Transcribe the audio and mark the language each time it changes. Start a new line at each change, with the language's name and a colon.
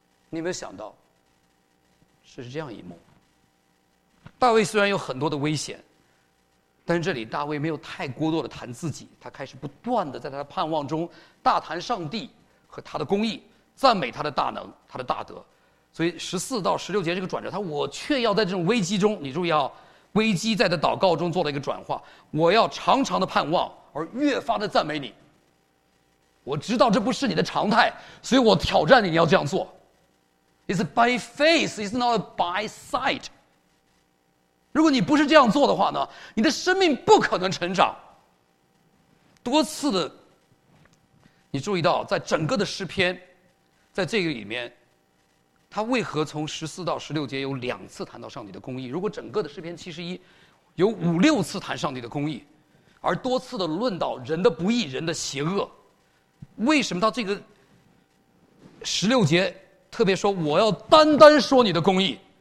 Chinese: 你有没有想到，是这样一幕？大卫虽然有很多的危险，但是这里大卫没有太过多的谈自己，他开始不断地在他的盼望中大谈上帝和他的公义，赞美他的大能、他的大德。所以14到16节这个转折，他我却要在这种危机中，你注意啊，危机在的祷告中做了一个转化，我要常常的盼望而越发的赞美你，我知道这不是你的常态，所以我挑战你，你要这样做。
English: It's by faith, it's not by sight。
Chinese: 如果你不是这样做的话呢，你的生命不可能成长。多次的，你注意到在整个的诗篇，在这个里面，他为何从14到16节有两次谈到上帝的公义？如果整个的诗篇71有5、6次谈上帝的公义，而多次的论到人的不义、人的邪恶，为什么到这个16节特别说我要单单说你的公义？